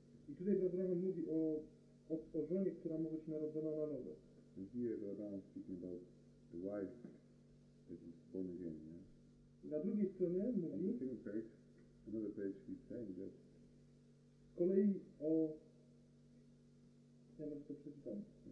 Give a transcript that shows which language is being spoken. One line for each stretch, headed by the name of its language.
Polish: I tutaj Brother Branham mówi o żonie, która może być narodzona na nowo.
English: And here Brother Branham is speaking about the wife that is born again. Yeah?
Polish: Na drugiej stronie mówi,
English: on the second page, another page, he's saying that.
Polish: Z kolei ja może to przeczytam.